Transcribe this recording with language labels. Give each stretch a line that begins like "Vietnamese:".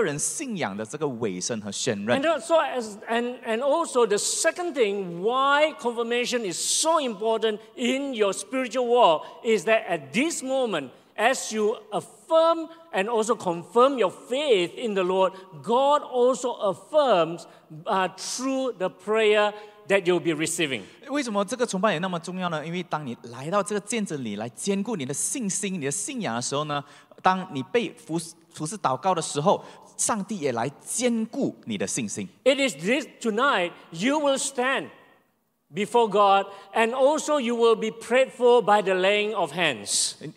Chinese: 很重要的，在见证里，你是个人要向耶稣做一个个人信仰的这个委身和宣认。
English: And also the second thing why confirmation is so important in your spiritual walk is that at this moment, as you affirm and also confirm your faith in the Lord, God also affirms through the prayer that you'll be receiving.
Chinese: 为什么这个崇拜也那么重要呢？因为当你来到这个见证里来坚固你的信心、你的信仰的时候呢，当你被服侍祷告的时候，上帝也来坚固你的信心。
English: It is this tonight you will stand before God, and also you will be prayed for by the laying of hands.